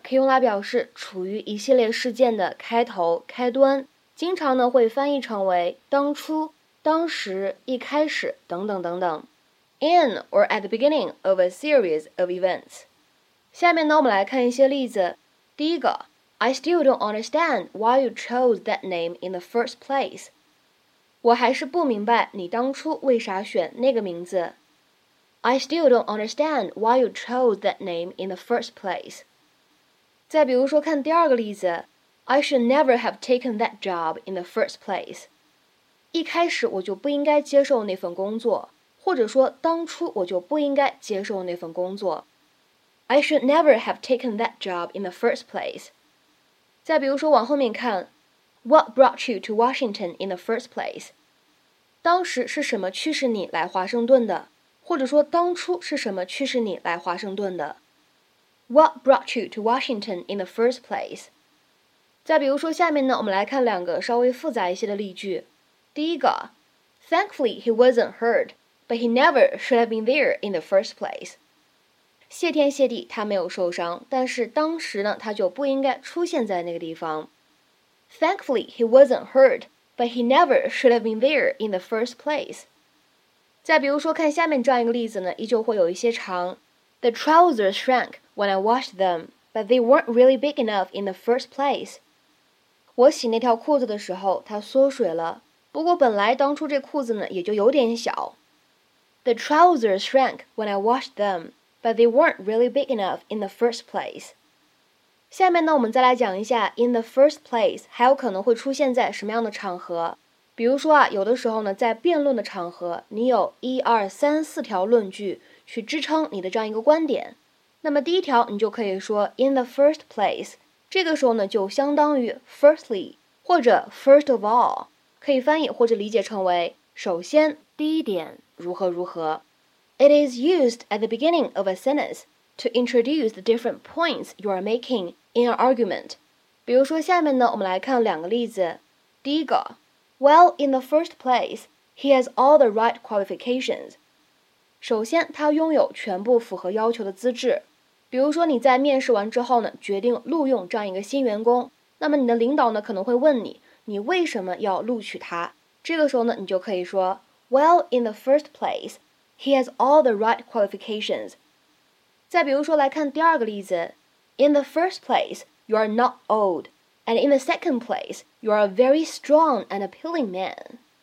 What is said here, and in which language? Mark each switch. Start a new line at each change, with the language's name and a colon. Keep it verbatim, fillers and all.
Chinese: 可以用来表示处于一系列事件的开头、开端。经常呢会翻译成为当初、当时、一开始等等等等。
English: In or at the beginning of a series of events.
Chinese: 下面呢，我们来看一些例子。第一个
English: ，I still don't understand why you chose that name in the first place.
Chinese: 我还是不明白你当初为啥选那个名字。
English: I still don't understand why you chose that name in the first place.
Chinese: 再比如说，看第二个例子
English: ，I should never have taken that job in the first place.
Chinese: 一开始我就不应该接受那份工作。或者说，当初我就不应该接受那份工作。
English: I should never have taken that job in the first place.
Chinese: 再比如说，往后面看
English: ，What brought you to Washington in the first place?
Chinese: 当时是什么驱使你来华盛顿的？或者说，当初是什么驱使你来华盛顿的 ？
English: What brought you to Washington in the first place?
Chinese: 再比如说，下面呢，我们来看两个稍微复杂一些的例句。第一个
English: ，Thankfully he wasn't hurt. But he never should have been there in the first place.
Chinese: 谢天谢地，他没有受伤，但是当时呢，他就不应该出现在那个地方。
English: Thankfully, he wasn't hurt, but he never should have been there in the first place.
Chinese: 再比如说，看下面这样一个例子呢，依旧会有一些长。
English: The trousers shrank when I washed them, but they weren't really big enough in the first place.
Chinese: 我洗那条裤子的时候，它缩水了，不过本来当初这裤子呢，也就有点小。
English: The trousers shrank when I washed them, but they weren't really big enough in the first place.
Chinese: 下面呢，我们再来讲一下 in the first place 还有可能会出现在什么样的场合。比如说啊，有的时候呢，在辩论的场合，你有一二三四条论据去支撑你的这样一个观点。那么第一条你就可以说
English: in the first place，
Chinese: 这个时候呢就相当于 firstly 或者
English: first of all，
Chinese: 可以翻译或者理解成为首先第一点如何如何。
English: It is used at the beginning of a sentence to introduce the different points you are making in an argument。
Chinese: 比如说下面呢我们来看两个例子。第一个
English: Well, in the first place, he has all the right qualifications。
Chinese: 首先他拥有全部符合要求的资质。比如说你在面试完之后呢决定录用这样一个新员工，那么你的领导呢可能会问你你为什么要录取他，这个时候呢你就可以说
English: Well, in the first place, he has all the right qualifications。
Chinese: 再比如说来看第二个例子。
English: In the first place, you are not old, and in the second place, you are a very strong and appealing man。